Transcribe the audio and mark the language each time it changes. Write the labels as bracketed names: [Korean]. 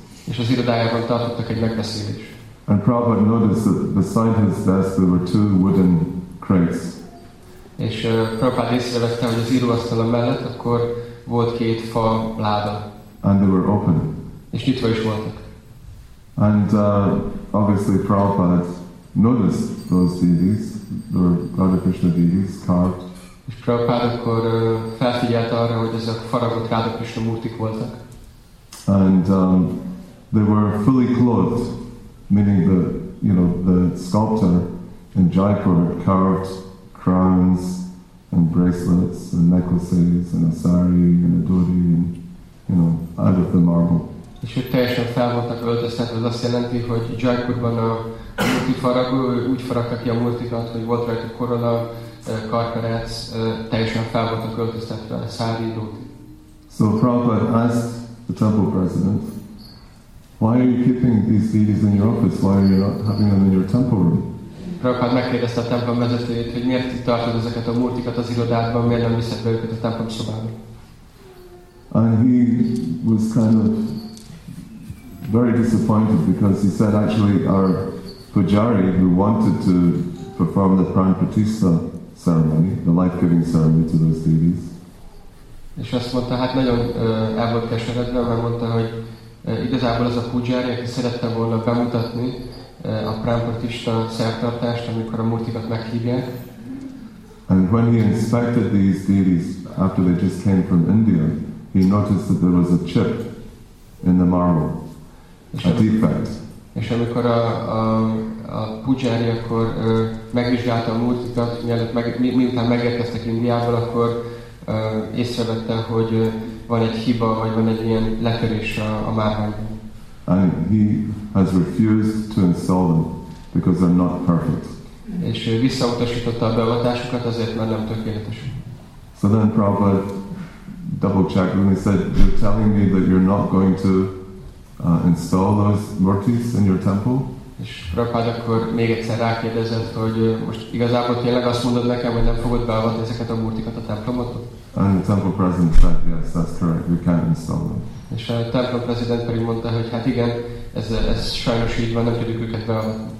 [Hungarian] És az irodájában tartottak egy megbeszélés. [English] And Prabhupada noticed that beside his desk there were 2 wooden crates. [Hungarian] És Prabhupád észrevette, hogy az íróasztala mellett akkor volt 2 fa láda. [English] And they were open. [Hungarian] És nyitva is voltak. [English] And obviously Prabhupada noticed those deities, the Radha Krishna deities carved. [Hungarian] És Prabhupád akkor felfigyelt arra, hogy ezek faragott Radha Krishna murtik voltak. [English] And they were fully clothed, meaning that, you know, the sculptor in Jaipur carved crowns and bracelets and necklaces and a sari and a dhoti and, you know, out of the marble. [Hungarian] És ő teljesen fel voltak öltöztetve, ez azt jelenti, hogy Jaipurban a multifaragó, úgy faragta ki a multikat, hogy volt rajta korona, karperec, teljesen fel voltak öltöztetve, sari, dhoti. [English] So Prabhupada asked the temple president, why are you keeping these deities in your office? Why are you not having them in your temple room? [Hungarian] Prabhupád megkérdezte a templom vezetőjét, hogy miért itt tartod ezeket a murtikat az irodádban, miért nem viszed be őket a templom szobába. [English] And he was kind of very disappointed because he said actually our pujari who wanted to perform the Pran Pratistha ceremony, the life-giving ceremony to those deities. [Hungarian] És azt mondta, hát nagyon el volt keseredve, mert mondta, hogy igazából az a pujari, aki szerette volna bemutatni a Pran Pratistha szertartást, amikor a murtikat meghívják. [English] And when he inspected these deities after they just came from India, he noticed that there was a chip in the marble, a defect. [Hungarian] És amikor a pujári akkor megvizsgálta a murtikat, miután megérkeztek Indiából, akkor észrevette, hogy van egy hiba, vagy van egy ilyen letörés a márványban. [English] And he has refused to install them because they're not perfect. [Hungarian] És visszautasította a beavatásukat, azért mert nem tökéletes. [English] So then Prabhupada double-checked and he said, you're telling me that you're not going to install those murtis in your temple? [Hungarian] És Prabhupada akkor még egyszer rákérdezett, hogy most igazából tényleg azt mondod nekem, hogy nem fogod beavatni ezeket a murtikat a templomot? [English] And the temple president said, yes, that's correct, we can't install them. [Hungarian] És a templom president pedig mondta, hogy hát igen, ez sajnos így van, nem tudjuk őket beavatni.